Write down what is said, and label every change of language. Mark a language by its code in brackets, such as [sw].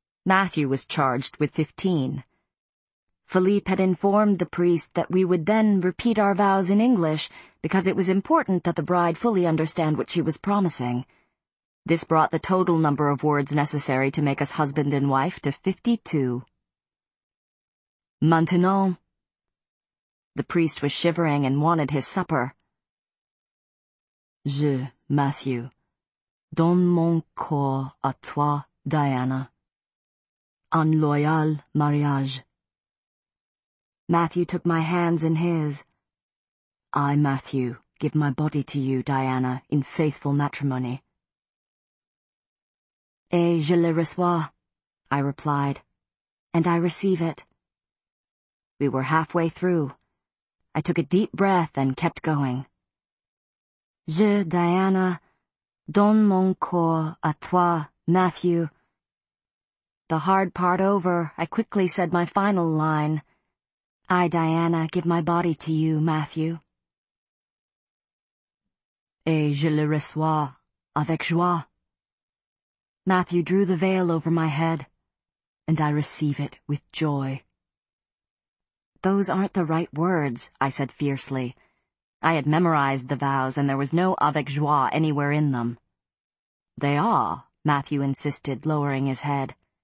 [en] Matthew was charged with 15. Philippe had informed the priest that we would then repeat our vows in English because it was important that the bride fully understand what she was promising. This brought the total number of words necessary to make us husband and wife to 52. [fr] "Maintenant." [en] The priest was shivering and wanted his supper. [fr] "Je, Matthew, donne mon corps à toi, Diana. Un loyal mariage." [en] Matthew took my hands in his. "I, Matthew, give my body to you, Diana, in faithful matrimony." [fr] "Et je le reçois," [en] I replied. "And I receive it." We were halfway through. I took a deep breath and kept going. [fr] "Je, Diana, donne mon corps à toi, Matthew." [en] The hard part over, I quickly said my final line. "I, Diana, give my body to you, Matthew." [fr] "Et je le reçois avec joie." [en] Matthew drew the veil over my head. "And I receive it with joy." "Those aren't the right words," I said fiercely. I had memorized the vows and there was no avec joie anywhere in them. "They are," Matthew insisted, lowering his head.